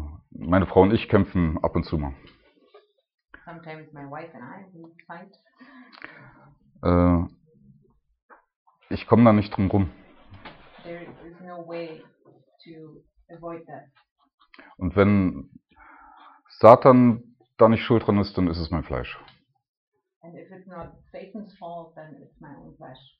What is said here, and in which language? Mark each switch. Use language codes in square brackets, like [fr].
[de] Meine Frau und ich kämpfen ab und zu mal. [en] Sometimes my wife and I fight. [de] Ich komme da nicht drum rum. [en] There is no way to avoid that. [de] Und wenn Satan da nicht schuld dran ist, dann ist es mein Fleisch. [en] And if it's not Satan's fault, then it's my own flesh.